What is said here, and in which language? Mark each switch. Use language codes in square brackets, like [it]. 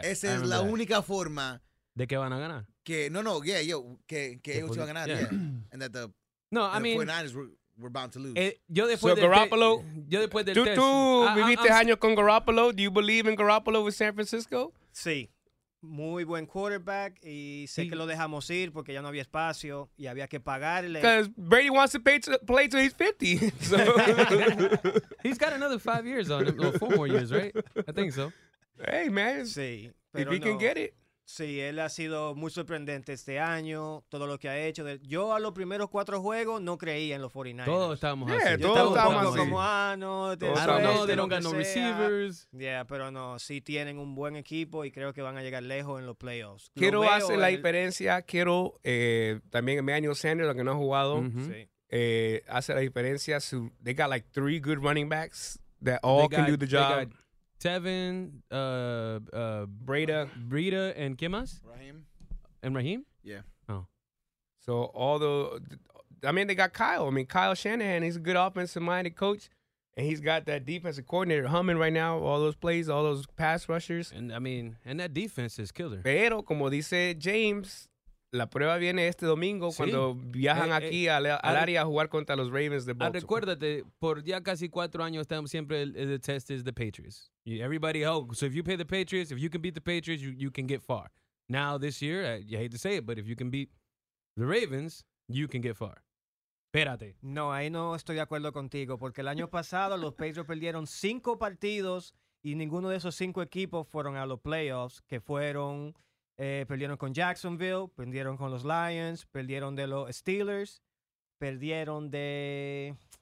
[es] esa es la única forma. ¿De que van a ganar? Que ellos iban a ganar. Yeah. [en] And that the 49ers were bound to lose. Garoppolo. [es] Yo después del test. ¿Viviste años con Garoppolo? [en] Do you believe in Garoppolo with San Francisco? [es] Sí. Muy buen quarterback, y sé que lo dejamos ir porque ya no había espacio y había que pagarle. [en] Because Brady wants to play till he's 50. So. He's got another 5 years on him, or 4 more years, right? I think so. Hey, man. [es] Sí. [en] If he can get it. [es] Sí, él ha sido muy sorprendente este año, todo lo que ha hecho. Yo a los primeros 4 juegos no creía en los 49ers. Todos estábamos así. Todos estábamos como, no receivers. Yeah, pero no, sí tienen un buen equipo y creo que van a llegar lejos en los playoffs. Quiero hacer la diferencia. Quiero también Emmanuel Sanders, lo que no ha jugado. Mm-hmm. Sí. Hace la diferencia. [en] So they got like 3 good running backs that all can do the job. Tevin, Breida, [es] and ¿qué más? [en] Raheem. Yeah. Oh. So they got Kyle. I mean, Kyle Shanahan, he's a good offensive-minded coach, and he's got that defensive coordinator humming right now, all those plays, all those pass rushers. And, I mean, and that defense is killer. [es] Pero, como dice James, la prueba viene este domingo cuando viajan aquí al área a jugar contra los Ravens de Baltimore. Recuérdate, por ya casi 4 años estamos siempre [en] the test is the Patriots. Everybody, so if you pay the Patriots, if you can beat the Patriots, you can get far. Now this year, I hate to say it, but if you can beat the Ravens, you can get far. [es] Espérate. No, ahí no estoy de acuerdo contigo, porque el año pasado los Patriots perdieron 5 partidos y ninguno de esos 5 equipos fueron a los playoffs, que fueron... perdieron con Jacksonville, perdieron con los Lions, perdieron de los Steelers, perdieron de...